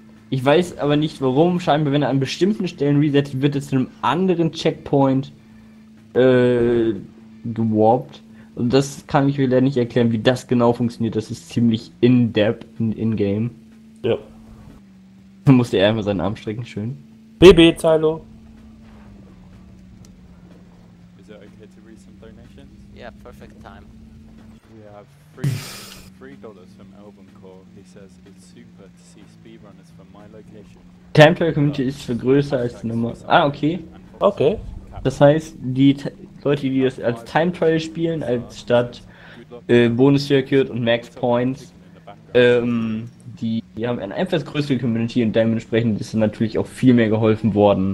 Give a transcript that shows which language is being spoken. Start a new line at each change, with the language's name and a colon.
German: Ich weiß aber nicht warum. Scheinbar, wenn er an bestimmten Stellen resettet, wird er zu einem anderen Checkpoint gewarpt. Und das kann ich mir leider nicht erklären, wie das genau funktioniert. Das ist ziemlich in-depth und in-game. Ja. Dann musste er einmal seinen Arm strecken, schön.
English: BB, Tylo. Is it okay to read some donations? Yeah, perfect time. We have $3 from Album Core. He says it's super to see speedrunners from my location.
German: Temple Community ist für größer als Nummer. Ah, okay. Okay. Das heißt, die Leute, die das als Time Trial spielen, als statt Bonus Circuit und Max Points, die haben eine etwas größere Community und dementsprechend ist dann natürlich auch viel mehr geholfen worden.